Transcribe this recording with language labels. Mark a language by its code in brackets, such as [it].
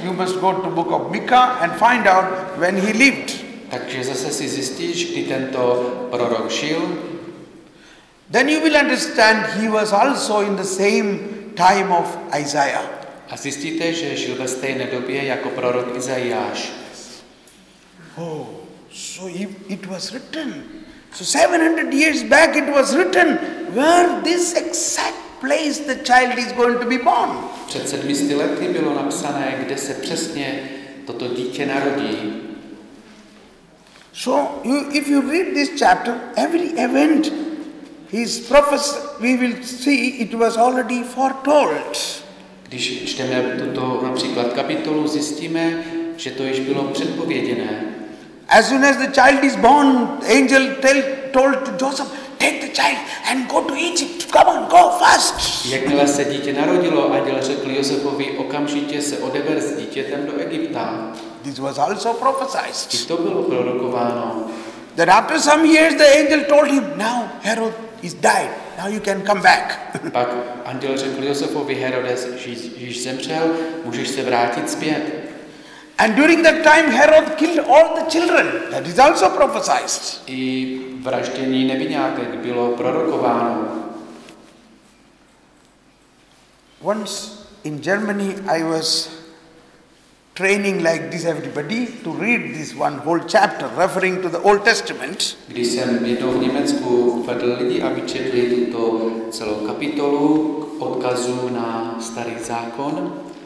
[en] You must go to book of Mika and find out when he lived. [cs] Takže zase si zjistíš, kdy tento prorok žil. [en] Then you will understand he was also in the same time of Isaiah. [cs] A zjistíte, že žil ve stejné době jako prorok Izajáš. [en] Oh, so it was written. So 700 years back it was written where this exact place the child is going to be born. [cs] Před 700 lety bylo napsané, kde se přesně toto dítě narodí. [en] So you, if you read this chapter, every event his prophecy, we will see it was already foretold. [cs] Když čteme tuto například kapitolu, zjistíme, že to již bylo předpověděné. [en] As soon as the child is born, angel told to Joseph, take the child and go to Egypt. Come on, go fast. [cs] Jakmile se dítě narodilo, anděl řekl Josefovi, okamžitě se odeber s dítětem do Egypta. [en] This was also prophesied. [cs] I to bylo prorokováno. [en] Then after some years, the angel told him, now Herod is died. Now you can come back. [cs] Pak anděl řekl Josefovi, Herodes již zemřel, můžeš se vrátit zpět. [en] And during that time Herod killed all the children. That is also prophesied. [cs] I vraždění nevinátek bylo prorokováno. [en] Once in Germany I was training like this everybody to read this one whole chapter referring to the Old Testament. [cs] Když jsem jednou v Německu vedl lidi, aby četli tuto celou kapitolu k odkazu na starý zákon.